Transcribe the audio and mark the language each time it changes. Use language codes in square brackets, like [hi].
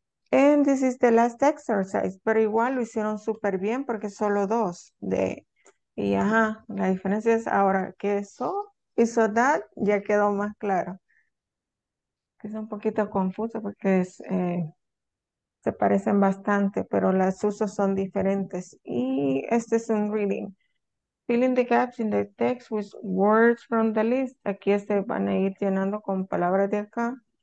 [en] And this is the last exercise, [es] pero igual lo hicieron súper bien porque solo dos de, y ajá, la diferencia es ahora que so y so that ya quedó más claro. Es un poquito confuso porque es... se parecen bastante, pero las usos son diferentes. Y este es un reading. [en] Fill in the gaps in the text with words from the list. [es] Aquí se van a ir llenando con palabras de acá.